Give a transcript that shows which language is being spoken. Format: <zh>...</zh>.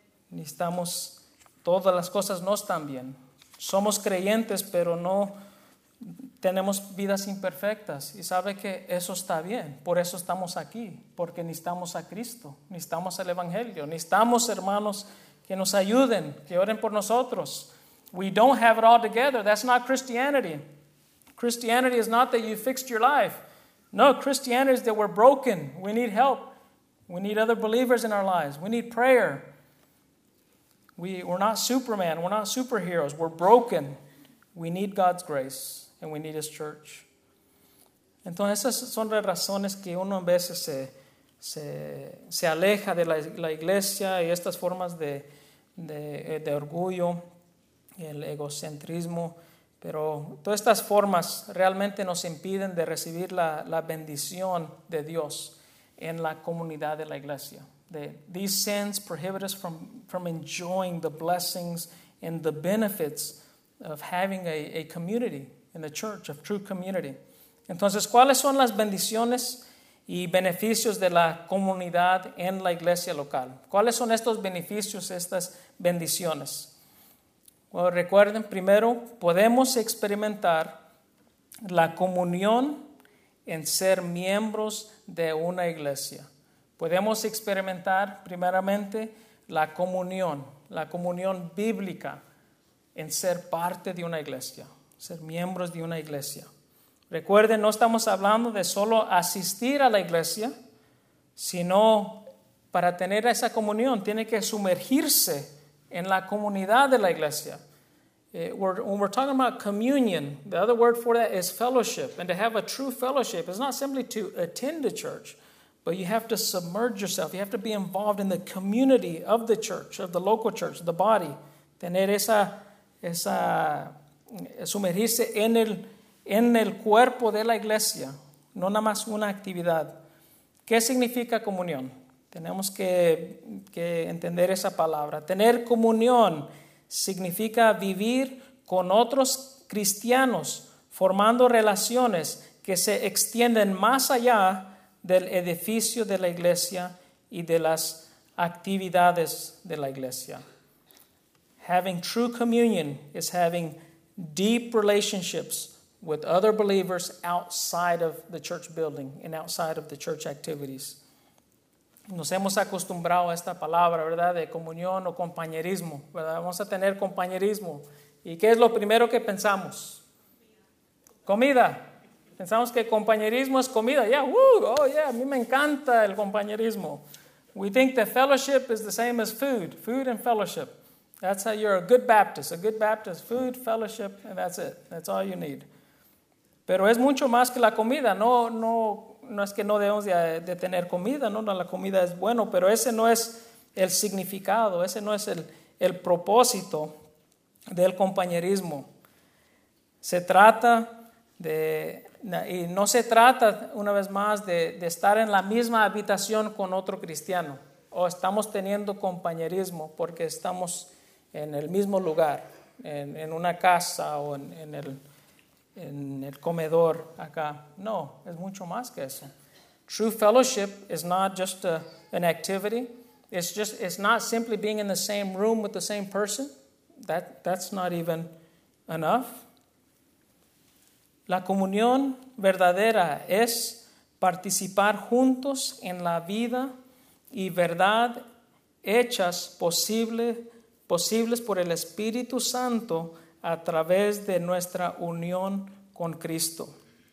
<es>Necesitamos, todas las cosas no están bien. Somos creyentes, pero no tenemos vidas imperfectas. Y sabe que eso está bien. Por eso estamos aquí, porque necesitamos a Cristo, necesitamos el Evangelio, necesitamos hermanos que nos ayuden, que oren por nosotros.</es> <en>We don't have it all together. That's not Christianity. Christianity is not that you fixed your life. No, Christianity is that we're broken. We need help. We need other believers in our lives. We need prayer. We're not Superman. We're not superheroes. We're broken. We need God's grace. And we need His church.</en> <es>Entonces, esas son las razones que uno a veces se aleja de la iglesia y estas formas de orgullo y el egocentrismo. Pero todas estas formas realmente nos impiden de recibir la bendición de Dios en la comunidad de la iglesia.</es> <en>These sins prohibit us from enjoying the blessings and the benefits of having a community in the church, of true community.</en> <es>Entonces, ¿cuáles son las bendiciones y beneficios de la comunidad en la iglesia local? ¿Cuáles son estos beneficios, estas bendiciones? Bueno, recuerden, primero, podemos experimentar la comunión en ser miembros de una iglesia. Podemos experimentar, primeramente, la comunión bíblica en ser parte de una iglesia, ser miembros de una iglesia. Recuerden, no estamos hablando de solo asistir a la iglesia, sino para tener esa comunión, tiene que sumergirse en la comunidad de la iglesia.</es> <en>When we're talking about communion, the other word for that is fellowship. And to have a true fellowship is not simply to attend a church, but you have to submerge yourself. You have to be involved in the community of the church, of the local church, the body.</en> <es>Tener esa sumergirse en el cuerpo de la iglesia, no nada más una actividad. ¿Qué significa comunión? Tenemos que entender esa palabra. Tener comunión significa vivir con otros cristianos, formando relaciones que se extienden más allá del edificio de la iglesia y de las actividades de la iglesia.</es> <en>Having true communion is having deep relationships with other believers outside of the church building and outside of the church activities.</en> <es>Nos hemos acostumbrado a esta palabra, ¿verdad?, de comunión o compañerismo, ¿verdad? Vamos a tener compañerismo. ¿Y qué es lo primero que pensamos? Comida. Pensamos que compañerismo es comida. Yeah, woo, oh yeah, a mí me encanta el compañerismo.</es> <en>We think that fellowship is the same as food, food and fellowship. That's how you're a good Baptist, food, fellowship, and that's it. That's all you need.</en> <es>Pero es mucho más que la comida. No es que no debemos de tener comida, no, la comida es bueno, pero ese no es el significado, ese no es el propósito del compañerismo. Se trata de, y no se trata, una vez más, de estar en la misma habitación con otro cristiano, o estamos teniendo compañerismo porque estamos en el mismo lugar, en una casa o en el comedor acá. No, es mucho más que eso.</es> <en>True fellowship is not just an activity. It's not simply being in the same room with the same person. That's not even enough.</en> <es>La comunión verdadera es participar juntos en la vida y verdad hechas posibles por el Espíritu Santo a través de nuestra unión con Cristo.</es>